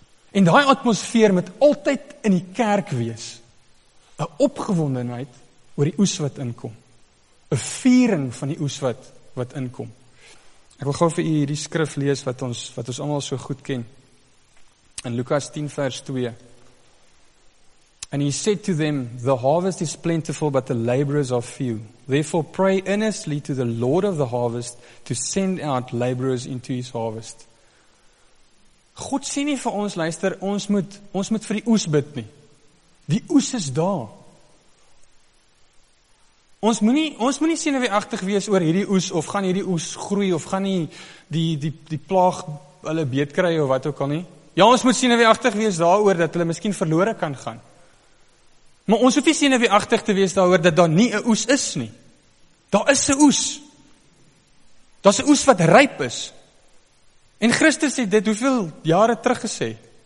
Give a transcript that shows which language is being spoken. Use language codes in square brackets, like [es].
[af] En daai atmosfeer moet altyd in die kerk wees. 'N opgewondenheid oor die oes wat inkom. 'N viering van die oes wat inkom. Ek wil gou vir u hierdie skrif lees wat ons almal so goed ken. In Lukas 10 vers 2. [en] And he said to them, "The harvest is plentiful, but the laborers are few. Therefore pray earnestly to the Lord of the harvest to send out laborers into his harvest." [af] God sê nie vir ons, luister, ons moet vir die oes bid nie. Die oes is daar. Ons moenie senuweeagtig wees oor hierdie oes, of gaan hierdie oes groei, of gaan die plaag hulle beet kry, of wat ook al nie. Ja, ons moet senuweeagtig wees daaroor dat hulle miskien verlore kan gaan. Maar ons hoef nie senuweeagtig te wees daaroor dat daar nie 'n oes is nie. Daar is 'n oes. Daar's 'n oes wat ryp is. En Christus het dit hoeveel jare terug gesê?